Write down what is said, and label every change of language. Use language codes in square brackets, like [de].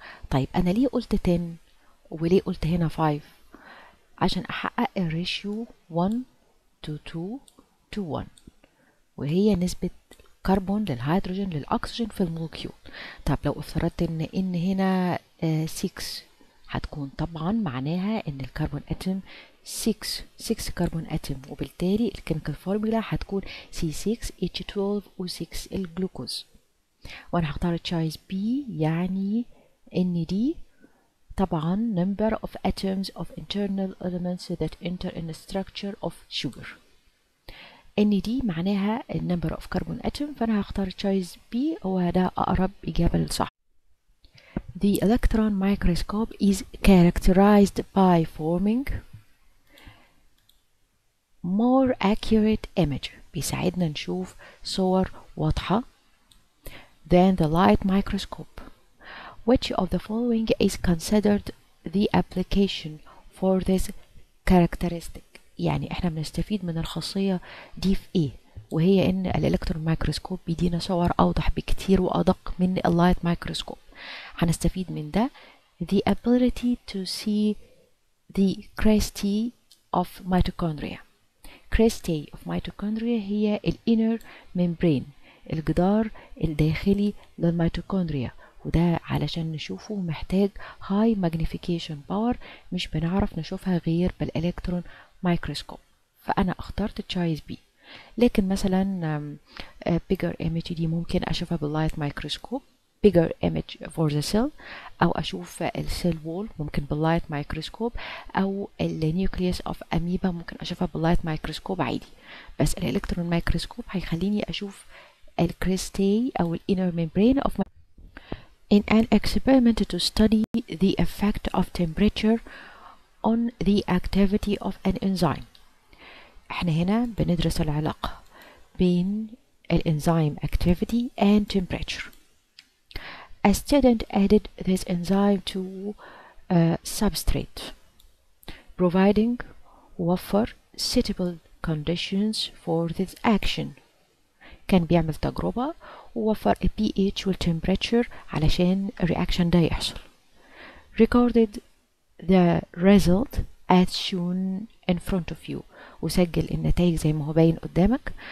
[ar] طيب انا ليه قلت 10 وليه قلت هنا 5؟ عشان احقق الريشيو 1:2:1 وهي نسبه كربون للهيدروجين للاكسجين في المولكيول. طب لو افترضت ان هنا 6 هتكون طبعا معناها ان الكربون اتم 6 كربون اتم، وبالتالي الكيميكال فورمولا هتكون C6H12O6 الجلوكوز. وانا هختار [en] choice B [ar] يعني ان دي طبعا [en] number of atoms of internal elements that enter in the structure of sugar. [ar] ان دي معناها [en] number of carbon atom، [ar] فانا هختار [en] choice B [ar] وهذا اقرب اجابة للصح. [en] The electron microscope is characterized by forming more accurate image، [ar] بيساعدنا نشوف صور واضحة، [en] than the light microscope. Which of the following is considered the application for this characteristic؟ [ar] يعني احنا بنستفيد من الخاصية دي في ايه، وهي ان الالكترون مايكروسكوب بيدينا صور اوضح بكتير وادق من اللايت مايكروسكوب. هنستفيد من ده [en] the ability to see the cristae of mitochondria. [ar] Cristae of mitochondria هي ال [en] inner membrane، [ar] الجدار الداخلي للميتوكوندريا، وده علشان نشوفه محتاج هاي ماجنيفيكيشن باور مش بنعرف نشوفها غير بالالكترون مايكروسكوب، فانا اخترت تشايز بي. لكن مثلا بيجر ايمج دي ممكن اشوفها باللايت مايكروسكوب، بيجر ايمج فور ذا سيل، او اشوف السيل وول ممكن باللايت مايكروسكوب، او النيوكليوس اوف اميبا ممكن اشوفها باللايت مايكروسكوب عادي، بس الالكترون مايكروسكوب هيخليني اشوف الكريستي أو الـ [en] inner membrane of my... In an experiment to study the effect of temperature on the activity of an enzyme. [ar] احنا هنا بندرس العلاقة بين الـ [en] enzyme activity and temperature. A student added this enzyme to a substrate providing وفر suitable conditions for this action. [ar] كان بيعمل تجربة ووفر الـ pH والـ temperature علشان الـ reaction ده يحصل. [en] Recorded the result as shown in front of you، [ar] وسجل النتائج زي ما هو باين قدامك.